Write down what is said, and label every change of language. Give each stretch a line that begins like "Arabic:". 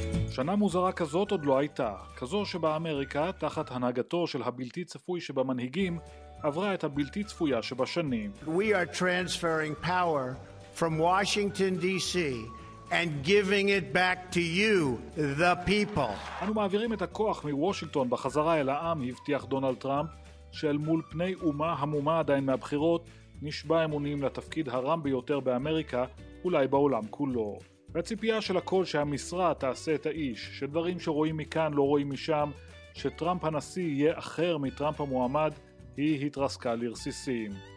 Hebrew: שנה מוזרה כזאת עוד לא הייתה, כזו שבה אמריקה, תחת הנהגתו של הבלתי צפוי שבמנהיגים, עברה את הבלתי צפויה שבשנים.
English: We are transferring power from Washington DC and giving it back to you, the people.
Hebrew: אנו מעבירים את הכוח מוושינגטון בחזרה אל העם, הבטיח דונלד טראמפ, שאל מול פני אומה המומה עדיין מהבחירות, נשבע אמונים לתפקיד הרם ביותר באמריקה, אולי בעולם כולו. והציפייה של הכל שהמשרה תעשה את האיש, שדברים שרואים מכאן לא רואים משם, שטראמפ הנשיא יהיה אחר מטראמפ המועמד, היא התרסקה לרסיסים.